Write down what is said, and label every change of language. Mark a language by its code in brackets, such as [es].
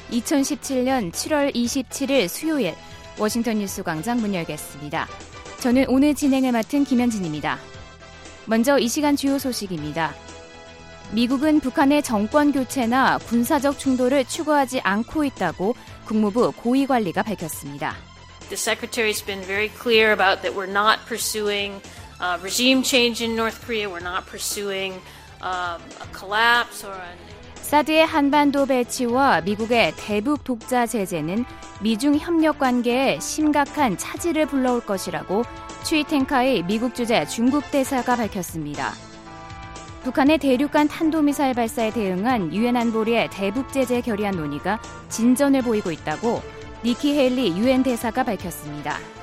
[ko] 2017년 7월 27일 수요일 워싱턴 뉴스 광장 문 열겠습니다. 저는 오늘 진행을 맡은 김현진입니다. 먼저 이 시간 주요 소식입니다. 미국은 북한의 정권 교체나 군사적 충돌을 추구하지 않고 있다고 국무부 고위 관리가 밝혔습니다. [en] The secretary has been very clear about that we're not pursuing regime change in North Korea. We're not pursuing a collapse or a [ko] 사드의 한반도 배치와 미국의 대북 독자 제재는 미중 협력 관계에 심각한 차질을 불러올 것이라고 추이 텐카이 미국 주재 중국 대사가 밝혔습니다. 북한의 대륙간 탄도미사일 발사에 대응한 유엔 안보리의 대북 제재 결의안 논의가 진전을 보이고 있다고 니키 헤일리 유엔 대사가 밝혔습니다.